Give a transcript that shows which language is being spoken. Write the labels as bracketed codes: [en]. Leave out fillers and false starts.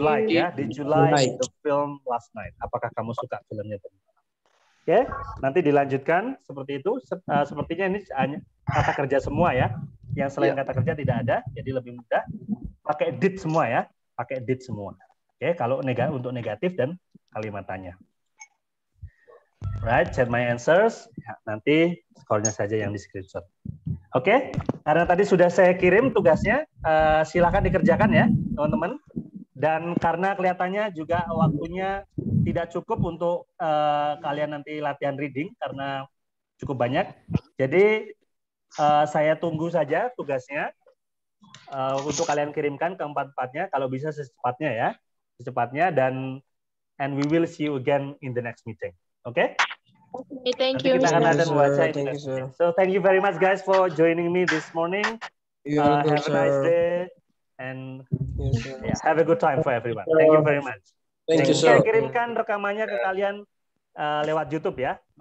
[id] Ya, [en] did you like the film last night? [id] Apakah kamu suka filmnya tadi? Oke, nanti dilanjutkan seperti itu. Sepertinya ini hanya kata kerja semua ya. Yang selain kata kerja tidak ada, jadi lebih mudah. Pakai did semua ya. Pakai did semua. Oke, kalau untuk negatif dan kalimat tanya. [en] Right, check my answers. [id] Ya, nanti skornya saja yang di screenshot. Oke, karena tadi sudah saya kirim tugasnya, silakan dikerjakan ya, teman-teman. Dan karena kelihatannya juga waktunya tidak cukup untuk kalian nanti latihan reading karena cukup banyak. Jadi saya tunggu saja tugasnya untuk kalian kirimkan ke empat-empatnya kalau bisa secepatnya ya. Secepatnya dan [en] and we will see you again in the next meeting. Oke? Okay, thank [id] nanti [en] you. [id] Kita akan ada buat saya. [en] So thank you very much guys for joining me this morning. Have a nice day. And yeah, have a good time for everyone. Thank you very much. Thank you, sir. [id] Saya kirimkan rekamannya ke kalian lewat YouTube ya.